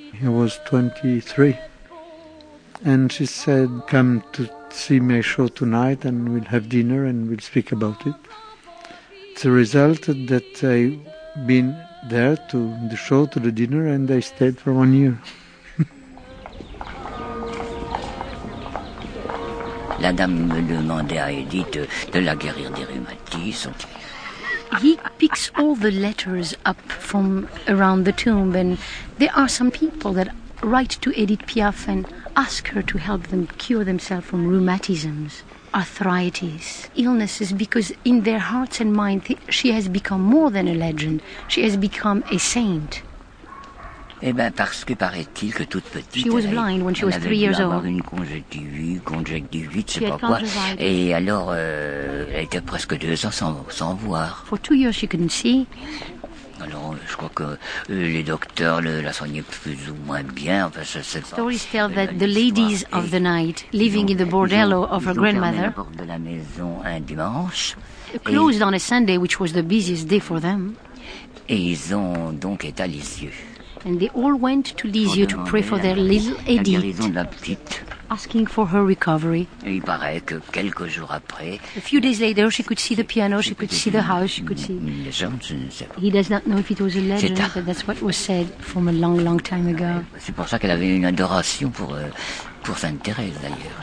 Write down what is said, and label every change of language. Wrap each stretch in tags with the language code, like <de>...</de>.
<en>I was 23. And she said, come to see my show tonight and we'll have dinner and we'll speak about it. It's a result that I've been there to the show, to the dinner, and I stayed for 1 year.</en> <fr>La dame me demandait à Edith de la guérir des rhumatismes.</fr> <en>He picks all the letters up from around the tomb, and there are some people that write to Edith Piaf and ask her to help them cure themselves from rheumatisms. arthritis, illnesses, because in their hearts and minds, she has become more than a legend. She has become a saint.</en> <fr>Eh bien, parce que paraît-il que toute petite...</fr> <en>She was blind when she was 3 years old.</en> <fr>Elle avait dû avoir une conjonctivite, je ne sais pas quoi. Et alors, elle était presque 2 ans sans voir.</fr> <en>For 2 years, she couldn't see.</en> <fr>Alors, je crois que les docteurs la soignaient plus ou moins bien. Enfin, ça, c'est pas...</fr> <en>Stories tell that the ladies of the night, living in the bordello of her grandmother...</en> <fr>Ils ont fermé la porte de la maison un dimanche.</fr> <en>Closed on a Sunday, which was the busiest day for them.</en> <fr>Et ils ont donc été à Lisieux.</fr> <en>And they all went to Lisieux to pray for their little Edith.</en> <fr>La guérison de la petite.</fr> <en>Asking for her recovery.</en> <fr>Et il paraît que quelques jours après...</fr> <en>A few days later, she could see the piano, she could see the house, she could see...</en> <fr>Une légende, je ne sais pas.</fr> <en>He does not know if it was a legend, but that's what was said from a long, long time ago.</en> <fr>C'est pour ça qu'elle avait une adoration pour Sainte Thérèse, d'ailleurs.</fr>